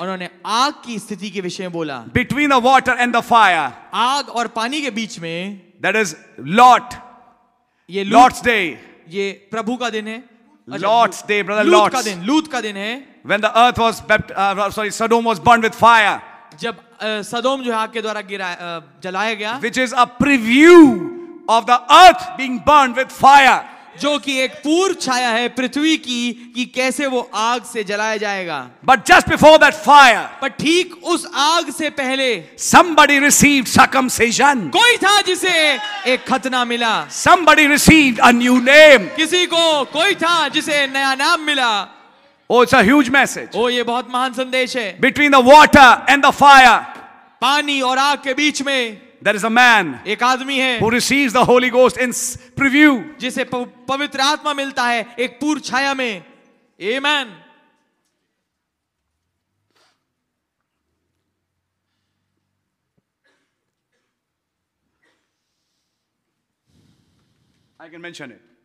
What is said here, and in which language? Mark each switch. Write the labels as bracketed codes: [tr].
[hi] उन्होंने आग की स्थिति के विषय में बोला. [en] Between the water and the fire, [hi] आग और पानी के बीच में, [en] that is Lot. [hi] ये [en] Lot's day. [hi] ये प्रभु का दिन है. [en] Lot's day, brother. Lot's [hi] का दिन. लूत का दिन है. [en] When the earth was Sodom was burned with fire. [hi] जब सदोम जो आग के द्वारा गिरा जलाया गया. [en] Which is a preview of the earth being burned with fire. [hi] जो कि एक पूर्व छाया है पृथ्वी की कि कैसे वो आग से जलाया जाएगा. [en] But just before that fire. [hi] पर ठीक उस आग से पहले. [en] Somebody received circumcision. [hi] कोई था जिसे एक खतना मिला. [en] Somebody received a new name. [hi] किसी को कोई था जिसे नया नाम मिला. [en] Oh, it's a huge message. [hi] ओ ये बहुत महान संदेश है. [en] Between the water and the fire, [hi] पानी और आग के बीच में, [en] there is a man, [hi] एक आदमी है, [en] who receives the Holy Ghost in preview, [hi] जिसे पवित्र आत्मा मिलता है एक पूर्व छाया में. [en] Amen. I can mention it.